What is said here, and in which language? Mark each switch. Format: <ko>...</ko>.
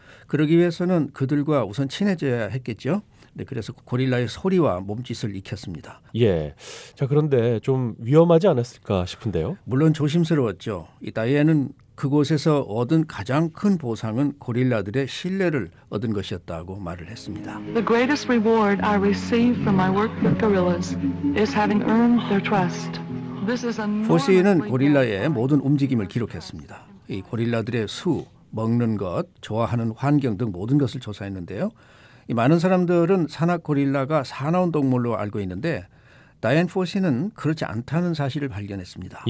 <ko>그러기 위해서는 그들과 우선 친해져야 했겠죠. 네, 그래서 고릴라의 소리와 몸짓을 익혔습니다. 예. 자, 그런데 좀 위험하지 않았을까 싶은데요. 물론 조심스러웠죠. 이 다이안은 그곳에서 얻은 가장 큰 보상은 고릴라들의 신뢰를 얻은 것이었다고 말을 했습니다.</ko> <en>The greatest reward I received from my work with gorillas is having earned their trust. This is a normal.</en> <ko>포시는 고릴라의 모든 움직임을 기록했습니다. 이 고릴라들의 수, 먹는 것, 좋아하는 환경 등 모든 것을 조사했는데요. 이 많은 사람들은 산악 고릴라가 사나운 동물로 알고 있는데 다이안 포시는 그렇지 않다는 사실을 발견했습니다.</ko>